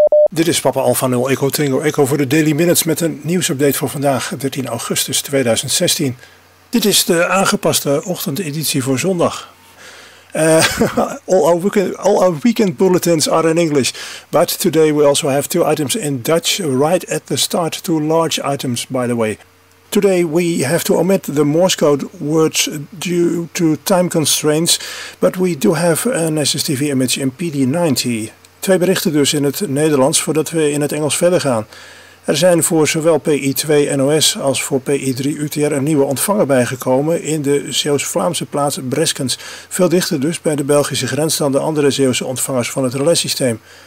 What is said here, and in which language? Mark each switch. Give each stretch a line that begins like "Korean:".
Dutch: Dit is Papa Alpha 0 Echo Tango Echo voor de Daily Minutes met een nieuwsupdate voor vandaag, 13 augustus 2016. Dit is de aangepaste ochtendeditie voor zondag.
English: All our weekend bulletins are in English, but today we also have two items in Dutch right at the start, two large items by the way. Today we have to omit the Morse code words due to time constraints, but we do have an SSTV image in PD90.
Dutch: Twee berichten dus in het Nederlands voordat we in het Engels verder gaan. Er zijn voor zowel PI2 NOS als voor PI3 UTR een nieuwe ontvanger bijgekomen in de Zeeuws-Vlaamse plaats Breskens. Veel dichter dus bij de Belgische grens dan de andere Zeeuwse ontvangers van het relaissysteem.